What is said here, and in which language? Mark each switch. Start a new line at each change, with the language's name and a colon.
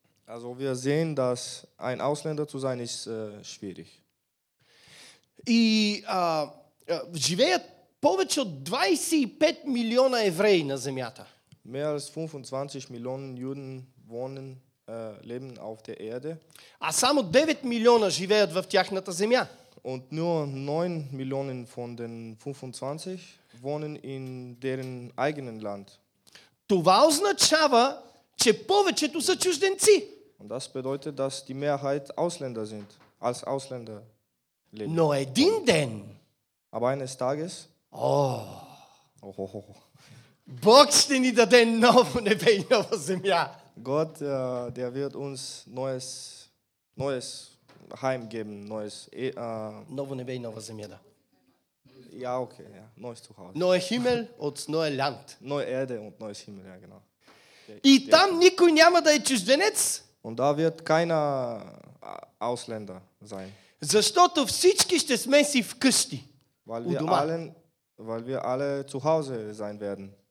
German: Also wir sehen, dass ein Ausländer zu sein ist schwierig.
Bulgarian: И живеят повече от 25 милиона евреи на земята.
German: Mehr als 25 Millionen Juden wohnen leben auf der Erde.
Bulgarian: А само 9 милиона живеят в тяхната земя.
German: Und nur 9 Millionen von den 25 wohnen in deren eigenen Land.
Bulgarian: Това означава, че повечето са чужденци.
German: Und das bedeutet, dass die Mehrheit Ausländer sind, als Ausländer leben.
Bulgarian: No, един ден.
German: Aber eines Tages.
Bulgarian: Бог ще ни даде ново небе и нова земя.
German: Gott, der wird uns neues Heim geben, neues.
Bulgarian: Ново небе и нова земя, да.
German: Ja, okay, ja, neues Zuhause. Neuer Himmel und neues Land. Neue Erde und neues Himmel, ja, genau.
Bulgarian: И там никой няма да е чужденец.
German: Und da wird keiner Ausländer sein.
Bulgarian: Защото всички ще сме си вкъщи.
German: Weil wir alle zu Hause sein werden.